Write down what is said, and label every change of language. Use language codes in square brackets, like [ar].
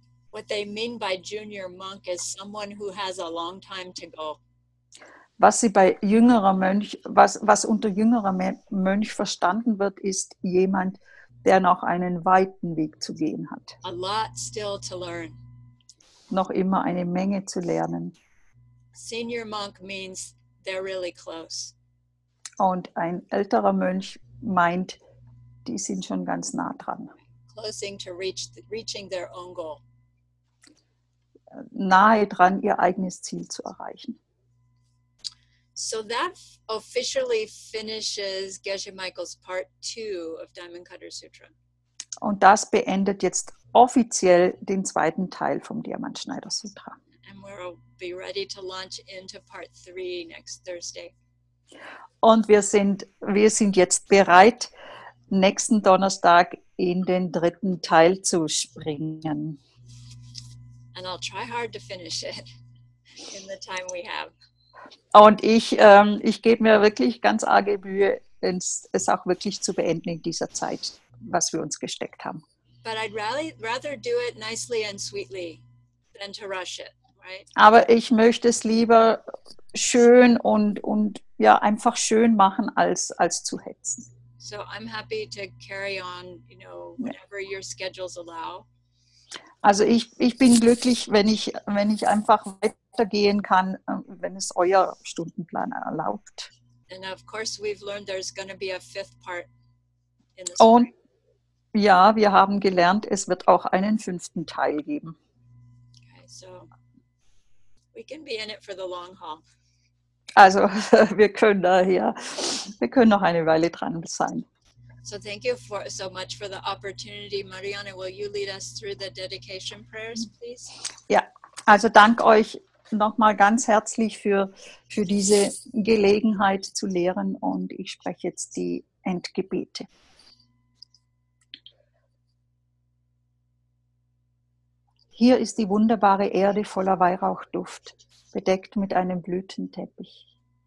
[en] What they mean by junior monk is someone who has a long time to go. [de] Was sie bei jüngerer Mönch, was unter jüngerer Mönch verstanden wird, ist jemand, der noch einen weiten Weg zu gehen hat. [en] A lot still to learn. [de] Noch immer eine Menge zu lernen. [en] Senior monk means they're really close. [de] Und ein älterer Mönch meint, die sind schon ganz nah dran. [en] Closing to reaching their own goal. [de] Nahe dran, ihr eigenes Ziel zu erreichen. [en] So that officially finishes Geshe Michael's part 2 of Diamond Cutter Sutra. [de] Und das beendet jetzt offiziell den zweiten Teil vom Diamantschneider Sutra. [en] And we'll be ready to launch into part 3 next Thursday. [de] Und wir sind jetzt bereit, nächsten Donnerstag in den dritten Teil zu springen. [en] And I'll try hard to finish it in the time we have. [de] Und ich gebe mir wirklich ganz arge Mühe, es auch wirklich zu beenden in dieser Zeit, was wir uns gesteckt haben. [en] But I'd rather do it nicely and sweetly than to rush it, right? [de] Aber ich möchte es lieber schön und ja, einfach schön machen, als zu hetzen. [en] So I'm happy to carry on, you know, whatever your schedules allow. [de] Also ich bin glücklich, wenn ich einfach weitergehen kann, wenn es euer Stundenplan erlaubt. [en] And of course we've learned there's going to be a fifth part in the story. [de] Und ja, wir haben gelernt, es wird auch einen fünften Teil geben. [en] Okay, so we can be in it for the long haul. [de] Also wir können noch eine Weile dran sein. [en] So thank you so much for the opportunity. Marianne, will you lead us through the dedication prayers, please? [de] Ja, also danke euch nochmal ganz herzlich für diese Gelegenheit zu lehren und ich spreche jetzt die Endgebete. Hier ist die wunderbare Erde voller Weihrauchduft, bedeckt mit einem Blütenteppich.